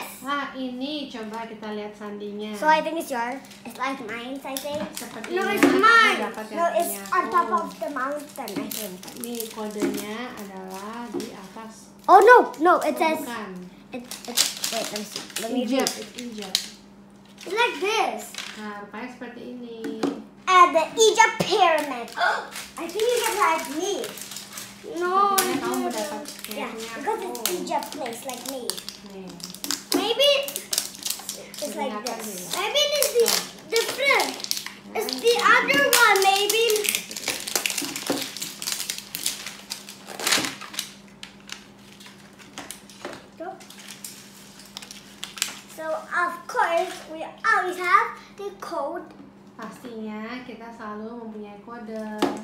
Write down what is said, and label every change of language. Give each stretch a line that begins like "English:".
Indonesian: Ah, ini coba kita lihat sandinya.
English: So I think it's your. It's like mine, I think.
Indonesian: Sepertinya
English: no, it's mine. No, it's on top of the mountain, I think.
Indonesian: Ini kodenya adalah di atas.
English: Oh no, no, it says. Wait, let me see. Let me Egypt. It's Egypt. It's like this.
Indonesian: Nah, rupanya seperti ini.
English: At the Egypt pyramid. I think you get like me. No, yeah, because it's Egypt place like me. Yeah. Maybe it's like this. Maybe it's the different. It's the other one, maybe. So, of course, we always have the code.
Indonesian: Pastinya kita selalu mempunyai kode.